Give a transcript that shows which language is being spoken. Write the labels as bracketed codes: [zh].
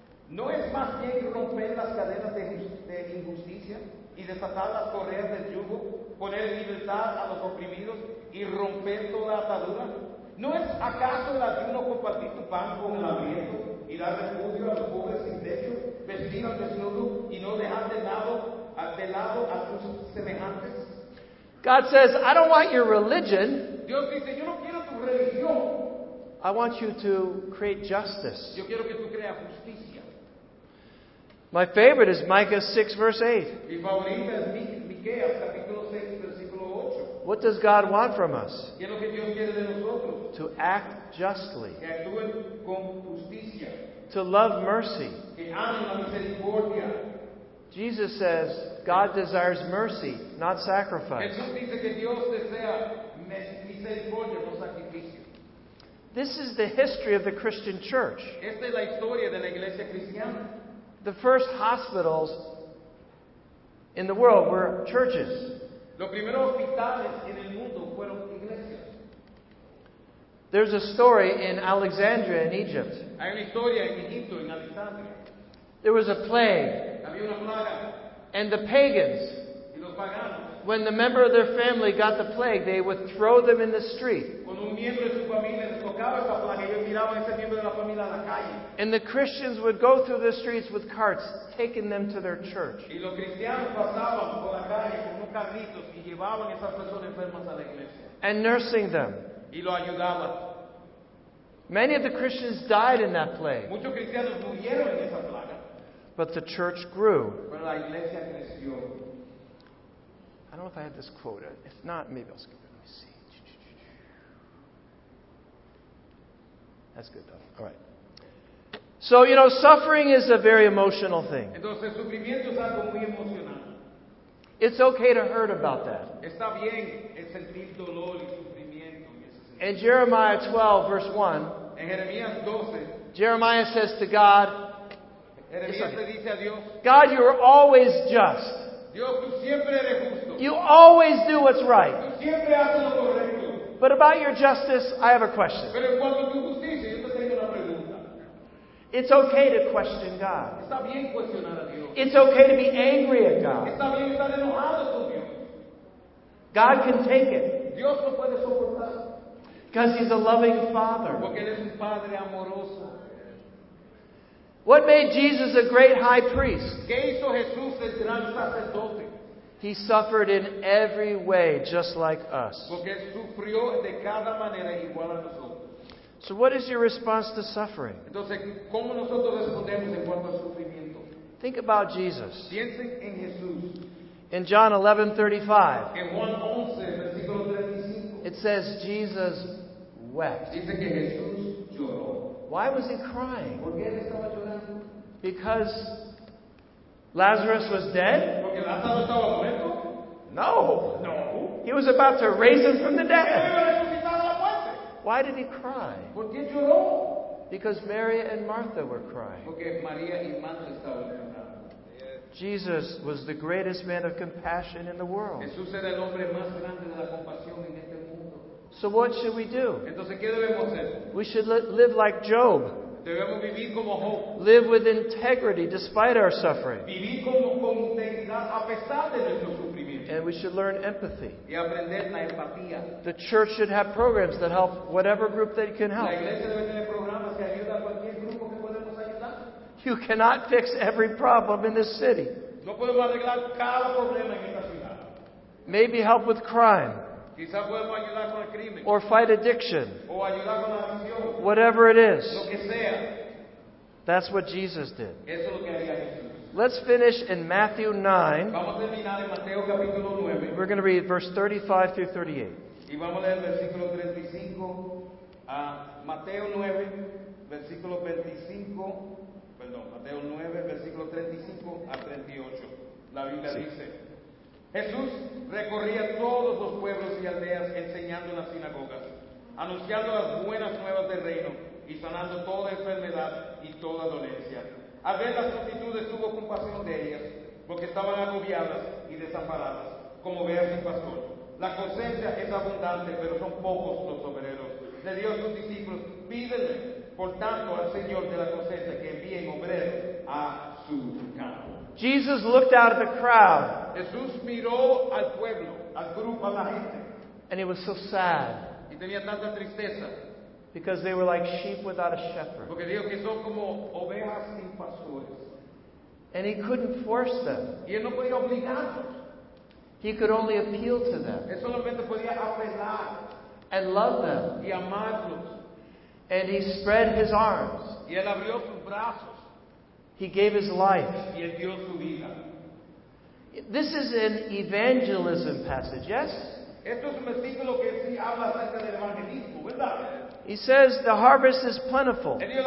[es] ¿No es más bien romper las cadenas de injusticia y desatar las correas del yugo, poner en libertad a los oprimidos y romper toda atadura? ¿No es acaso el ayuno compartir tu pan con el hambriento y dar refugio a los pobres sin techo, vestir al desnudo y no dejar de lado a tus semejantes? [en] God says, I don't want your religion. [es] Dios dice, yo no quiero tu religión. [en] I want you to create justice. [es] Yo quiero que tú creas justicia. [en] My favorite is Micah 6, verse 8. [es] Mi favorita es Miqueas, capítulo 6, versículo 8. [en] What does God want from us? [es] ¿Qué es lo que Dios quiere de nosotros? [en] To act justly. [es] Que actúen con justicia. [en] To love mercy. [es] Que amen la misericordia. [en] Jesus says, God desires mercy, not sacrifice. [es] Jesús dice que Dios desea misericordia, no sacrificio. [en] This is the history of the Christian church. [es] Esta es la historia de la iglesia cristiana. [en] The first hospitals in the world were churches. [es] Los primeros hospitales en el mundo fueron iglesias. [en] There's a story in Alexandria in Egypt. [es] Hay una historia en Egipto, en Alexandria. [en] There was a plague. [es] Había una plaga. [en] And the pagans, [es] y los paganos, [en] when the member of their family got the plague, they would throw them in the street. [es] Cuando un miembro de su familia les tocaba esa plaga, ellos miraban a ese miembro de la familia a la calle. [en] And the Christians would go through the streets with carts, taking them to their church. [es] Y los cristianos pasaban por la calle con unos carritos y llevaban a esas personas enfermas a la iglesia. [en] And nursing them. [es] Y lo ayudaban. [en] Many of the Christians died in that plague. [es] Muchos cristianos murieron en esa plaga. [en] But the church grew. [es] Pero la iglesia creció. [en] I don't know if I had this quote. If not, maybe I'll skip it. Let me see. That's good, though. All right. So, you know, suffering is a very emotional thing. [es] Entonces, sufrimiento es algo muy emocional. [en] It's okay to hurt about that. [es] Está bien sentir dolor y sufrimiento. [en] In Jeremiah 12, verse 1, [es] en Jeremías 12, [en] Jeremiah says to God, [es] Dios, [en] God, you are always just. [es] Dios, tú siempre eres justo. [en] You always do what's right. [es] Tú siempre haces lo correcto. [en] But about your justice, I have a question. [es] Pero en cuanto a tu justicia, yo te tengo una pregunta. [en] It's okay to question God. [es] Está bien cuestionar a Dios. [en] It's okay to be angry at God. [es] Está bien estar enojado con Dios. [en] God can take it. [es] Dios lo puede soportar. [en] Because He's a loving Father. [es] Porque Él es un Padre amoroso. [en] What made Jesus a great high priest? [es] ¿Qué hizo Jesús el gran sacerdote? [en] He suffered in every way, just like us. [es] Porque sufrió de cada manera igual a nosotros. [en] So what is your response to suffering? [es] Entonces, ¿cómo nosotros respondemos en cuanto a sufrimiento? [en] Think about Jesus. [es] Piensen en Jesús. [en] In John 11:35, [es] en Juan 11, versículo 35, [en] it says Jesus wept. [es] Dice que Jesús lloró. [en] Why was he crying? [es] ¿Por qué él estaba llorando? [en] Because Lazarus was dead? [es] Porque Lázaro estaba muerto? [en] No. [es] No. [en] He was about to raise him from the dead. Why did he cry? [es] ¿Por qué lloró? [en] Because Mary and Martha were crying. [es] Porque María y Marta estaban llorando. [en] Jesus was the greatest man of compassion in the world. [es] Jesús era el hombre más grande de la compasión en este mundo. [en] So what should we do? [es] Entonces, ¿qué debemos hacer? [en] We should live like Job. [es] Debemos vivir como Job. [en] Live with integrity despite our suffering. [es] Vivir con integridad a pesar de nuestro sufrimiento. [en] And we should learn empathy. [es] Y aprender la empatía. [en] The church should have programs that help whatever group that can help. [es] La iglesia debe tener programas que ayuda a cualquier grupo que podemos ayudar. [en] You cannot fix every problem in this city. [es] No podemos arreglar cada problema en esta ciudad. [en] Maybe help with crime. [es] Quizá podemos ayudar con el crimen. [en] Or fight addiction. [es] O ayudar con la adicción. [en] Whatever it is. [es] Lo que sea. [en] That's what Jesus did. [es] Eso es lo que haría Jesús. [en] Let's finish in Matthew 9. [es] Vamos a terminar en Mateo capítulo 9. [en] We're going to read verse 35 through 38. [es] Y vamos a leer versículo 35 a Mateo 9, versículo 25. Perdón, Mateo 9, versículo 35 a 38. La Biblia sí. Dice... Jesús recorría todos los pueblos y aldeas enseñando en las sinagogas, anunciando las buenas nuevas del reino y sanando toda enfermedad y toda dolencia. Al ver las multitudes tuvo compasión de ellas, porque estaban agobiadas y desamparadas, como ovejas sin pastor. La cosecha es abundante, pero son pocos los obreros. Le dio a sus discípulos, pídele, por tanto, al Señor de la cosecha que envíen obreros a su campo. [en] Jesus looked out at the crowd. [es] Jesús miró al pueblo, al grupo, a la gente. [en] And he was so sad. [es] Y tenía tanta tristeza. [en] Because they were like sheep without a shepherd. [es] Porque dijo que son como ovejas sin pastores. [en] And he couldn't force them. [es] Y él no podía obligarlos. [en] He could only appeal to them. [es] Él solamente podía apelar. [en] And love them. [es] Y amarlos. [en] And he spread his arms. [es] Y él abrió sus brazos. [en] He gave his life. [es] Y él dio su vida. [en] This is an evangelism passage, yes? [es] Esto es un versículo que sí habla acerca del evangelismo, ¿verdad? [en] He says the harvest is plentiful.